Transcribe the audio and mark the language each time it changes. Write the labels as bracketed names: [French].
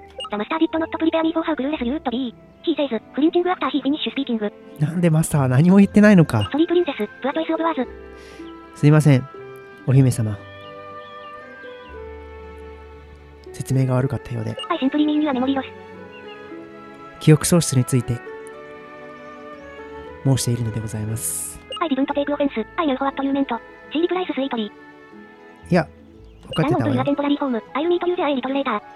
[English] The master did not prepare me for how clueless you would be. He says, flinching after he finished speaking. [Japanese] なんでマスターは何も言ってないのか。 [English] Sorry, princess, poor choice of words. [Japanese] すいません、お姫様。説明が悪かったようで。 [English] I simply mean you are memory loss. [Japanese] 記憶喪失について申しているのでございます。 [English] I didn't take offense. I know what you meant. She replies sweetly. [Japanese] いや、分かってたわよ。 [English] Run on to your temporary home. I'll meet you there a little later.